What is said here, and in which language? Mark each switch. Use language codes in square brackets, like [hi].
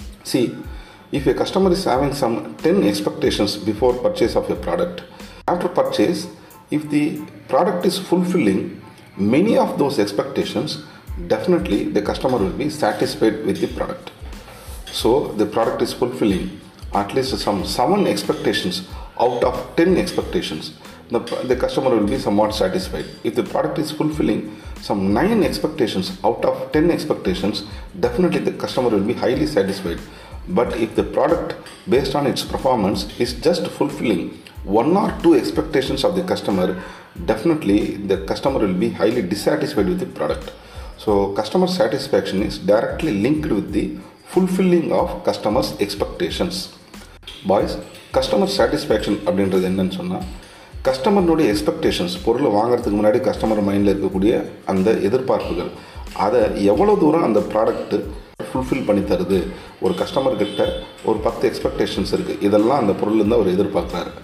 [en] See, if a customer is having some 10 expectations before purchase of a product, after purchase if the product is fulfilling many of those expectations, definitely the customer will be satisfied with the product. So the product is fulfilling at least some 7 expectations out of 10 expectations, the customer will be somewhat satisfied. If the product is fulfilling some 9 expectations out of 10 expectations, definitely the customer will be highly satisfied. But if the product based on its performance is just fulfilling 1 or 2 expectations of the customer, definitely the customer will be highly dissatisfied with the product. So customer satisfaction is directly linked with the fulfilling of customer's expectations. [ta] Boys, customer satisfaction அப்படின்றது என்னன்னு சொன்னால், கஸ்டமர்னுடைய expectations, பொருளை வாங்குறதுக்கு முன்னாடி customer மைண்டில் இருக்கக்கூடிய அந்த எதிர்பார்ப்புகள், அதை எவ்வளோ தூரம் அந்த ப்ராடக்ட்டு ஃபுல்ஃபில் பண்ணி தருது. ஒரு கஸ்டமர்கிட்ட ஒரு 10 எக்ஸ்பெக்டேஷன்ஸ் இருக்குது, இதெல்லாம் அந்த பொருள்லேருந்து அவர் எதிர்பார்க்குறாரு.